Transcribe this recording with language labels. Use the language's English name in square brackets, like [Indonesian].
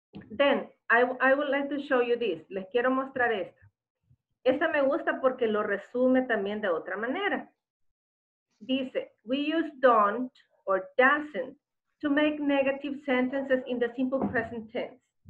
[English] Then, I would like to show you this. [Spanish] Les quiero mostrar esto. Esta me gusta porque lo resume también de otra manera. Dice, [English] we use don't or doesn't to make negative sentences in the simple present tense.